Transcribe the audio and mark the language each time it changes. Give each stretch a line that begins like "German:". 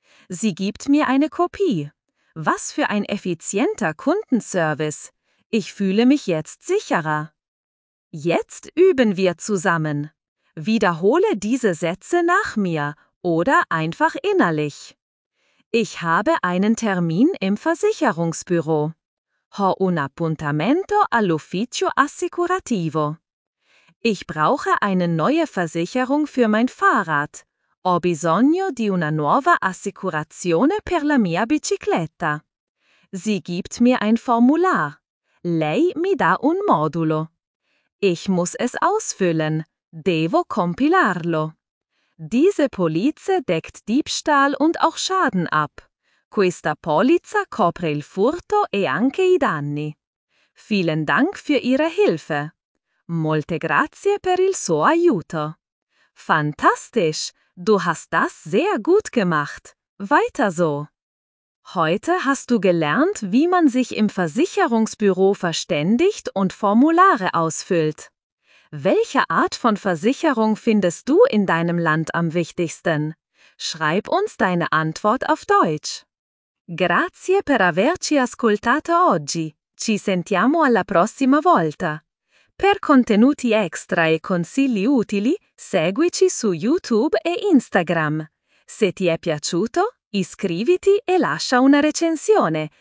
German: Sie gibt mir eine Kopie. Was für ein effizienter Kundenservice. Ich fühle mich jetzt sicherer. Jetzt üben wir zusammen. Wiederhole diese Sätze nach mir oder einfach innerlich. Ich habe einen Termin im Versicherungsbüro.
Italian: Ho un appuntamento all'ufficio assicurativo.
German: Ich brauche eine neue Versicherung für mein Fahrrad.
Italian: Ho bisogno di una nuova assicurazione per la mia bicicletta.
German: Sie gibt mir ein Formular.
Italian: Lei mi dà un modulo.
German: Ich muss es ausfüllen.
Italian: Devo compilarlo.
German: Diese Polizze deckt Diebstahl und auch Schaden ab.
Italian: Questa polizza copre il furto e anche i danni.
German: Vielen Dank für Ihre Hilfe.
Italian: Molte grazie per il suo aiuto.
German: Fantastisch! Du hast das sehr gut gemacht. Weiter so! Heute hast du gelernt, wie man sich im Versicherungsbüro verständigt und Formulare ausfüllt. Welche Art von Versicherung findest du in deinem Land am wichtigsten? Schreib uns deine Antwort auf Deutsch.
Italian: Grazie per averci ascoltato oggi. Ci sentiamo alla prossima volta. Per contenuti extra e consigli utili, seguici su YouTube e Instagram. Se ti è piaciuto, iscriviti e lascia una recensione.